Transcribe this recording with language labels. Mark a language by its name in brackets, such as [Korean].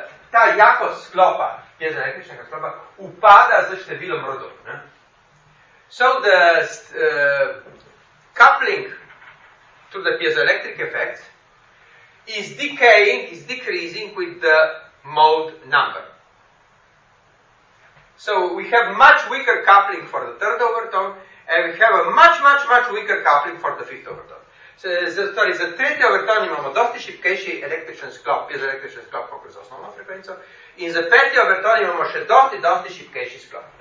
[Slovenian] Ta jakost sklopa, je za električnega sklopa, upada za številom rodov. Ne? [English] So the coupling to the piezoelectric effect is decaying, is decreasing with the mode number. So we have much weaker coupling for the third overtone, and we have a much, much, much weaker coupling for the fifth overtone. [Slovenian] Za tretji overtone imamo dosti šipkejši električni sklop, piezoelektrični sklop, kot za osnovno frekvenco, in za peti overtone imamo še dosti šipkejši sklop.